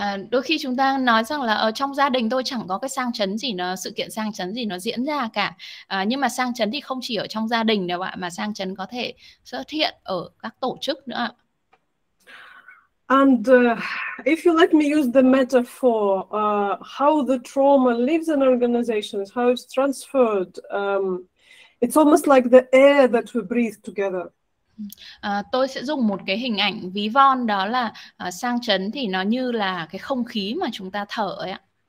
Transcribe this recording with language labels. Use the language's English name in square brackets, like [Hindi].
[Vietnamese] Đôi khi chúng ta nói rằng là ở trong gia đình tôi chẳng có cái sang chấn gì, nó sự kiện sang chấn gì nó diễn ra cả. Nhưng mà sang chấn thì không chỉ ở trong gia đình đâu ạ, mà sang chấn có thể xuất hiện ở các tổ chức nữa ạ. [English] And if you let me use the metaphor, how the trauma lives in organizations, how it's transferred, it's almost like the air that we breathe together. [Vietnamese] Tôi sẽ dùng một cái hình ảnh ví von, đó là sang chấn thì nó như là cái không khí mà chúng ta thở ấy ạ.